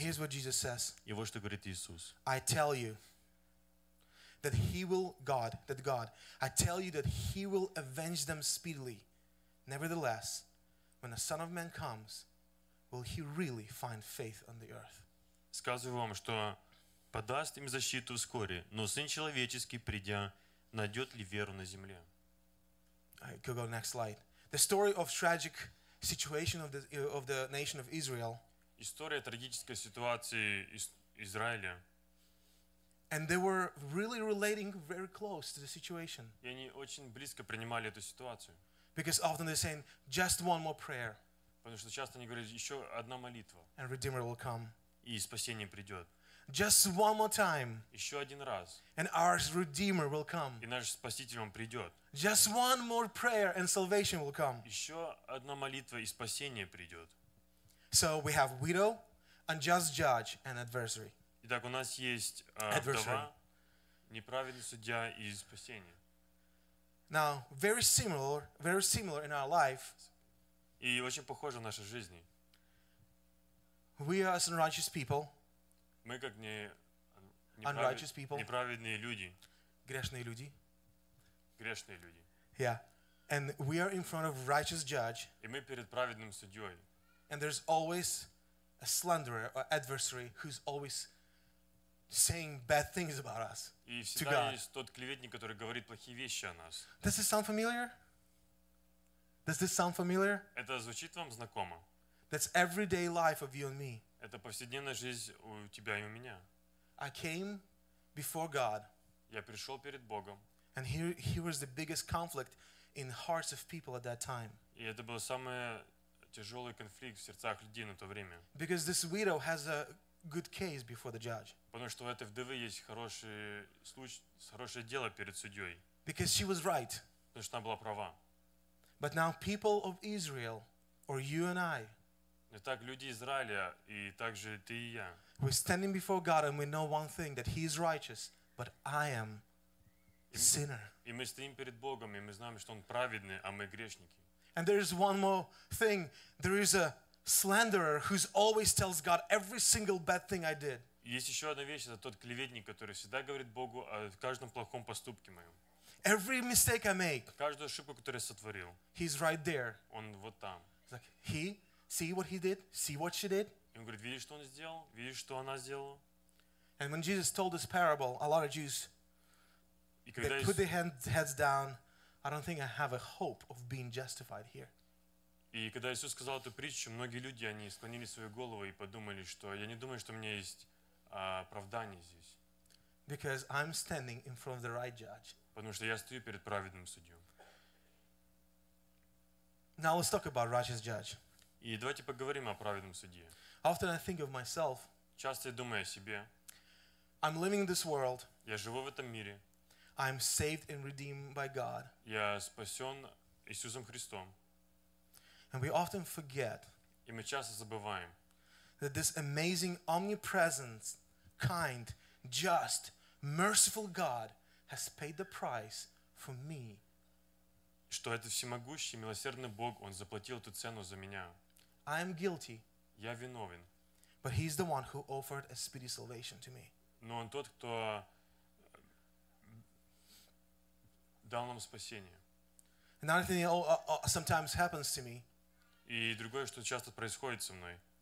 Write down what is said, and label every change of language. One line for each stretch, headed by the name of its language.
English: Here's what Jesus says.
Russian: И вот что говорит Иисус.
English: I tell you that he will avenge them speedily. Nevertheless, when the Son of Man comes, will he really find faith on the earth?
Russian: Сказываю вам, что подаст им защиту вскоре, но Сын человеческий придя, найдёт ли веру на земле?
English: I could go next slide. The story of tragic situation of the nation of Israel.
Russian: История трагической ситуации Израиля.
English: And they were really relating very close to the situation.
Russian: И они очень близко принимали эту ситуацию.
English: Because often they're saying just one more prayer.
Russian: Потому что часто они говорят ещё одна молитва.
English: And Redeemer will come.
Russian: И спасение придёт.
English: Just one more time.
Russian: Ещё один раз.
English: And our Redeemer will come.
Russian: И наш Спаситель он придёт.
English: Just one more prayer and salvation will come.
Russian: Ещё одна молитва и спасение придёт.
English: So we have widow, unjust judge and adversary.
Russian: Итак, у нас есть вдова, неправедный судья и спасение.
English: Now, very similar in our life.
Russian: И очень похоже в нашей жизни.
English: We are as unrighteous people.
Russian: Мы как
English: unrighteous people.
Russian: Неправедные люди. Грешные люди. Грешные люди.
English: Yeah. And we are in front of righteous judge.
Russian: И мы перед праведным судьёй.
English: And there's always a slanderer or adversary who's always saying bad things about us.
Russian: И всегда есть тот клеветник, который говорит плохие вещи о нас.
English: Does this sound familiar?
Russian: Это звучит вам знакомо?
English: That's everyday life of you and me.
Russian: Это повседневная жизнь у тебя и у меня.
English: I came before God.
Russian: Я пришёл перед Богом.
English: And here was the biggest conflict in hearts of people at that time.
Russian: И это был самый тяжёлый конфликт в сердцах людей на то время.
English: Because this widow has a good case before the judge.
Russian: Потому что у этой вдовы есть хороший случай, хорошее дело перед судьёй.
English: Because she was right.
Russian: Потому что она была права.
English: But now people of Israel or you and I
Russian: Итак, люди Израиля, и также ты и я.
English: We're standing before God and we know one thing, that He is righteous, but I am a sinner.
Russian: И мы стоим перед Богом, и мы знаем, что Он праведный, а мы грешники.
English: And there is one more thing. There is a slanderer who always tells God every single bad thing I did.
Russian: Есть еще одна вещь, это тот клеветник, который всегда говорит Богу о каждом плохом поступке моем.
English: Every mistake I make,
Russian: каждую ошибку, которую я сотворил,
English: he's right there.
Russian: Он вот там.
English: He's like, he, see what he did, see what she did.
Russian: И он говорит, видишь, что он сделал, видишь, что она сделала.
English: And when Jesus told this parable, a lot of Jews, they put their heads down. I don't think I have a hope of being justified here.
Russian: И когда Иисус сказал эту притчу, многие люди, они склонили свою голову и подумали, что я не думаю, что у меня есть оправдание здесь.
English: Because I'm standing in front of the right judge.
Russian: Потому что я стою перед праведным судьем.
English: Now let's talk about righteous judge.
Russian: И давайте поговорим о праведном судье.
English: Often I think of myself.
Russian: Часто я думаю о себе.
English: I'm living in this world.
Russian: Я живу в этом мире.
English: I'm saved and redeemed by God.
Russian: Я спасен Иисусом Христом.
English: And we often forget.
Russian: И мы часто забываем.
English: That this amazing, omnipresent, kind, just, merciful God has paid the price for me.
Russian: Что этот всемогущий, милосердный Бог, Он заплатил эту цену за меня.
English: I am guilty.
Russian: Я виновен.
English: But He is the one who offered a speedy salvation to me.
Russian: Но Он тот, кто дал нам спасение.
English: Another thing that sometimes happens to me.
Russian: И другое, что часто происходит со мной.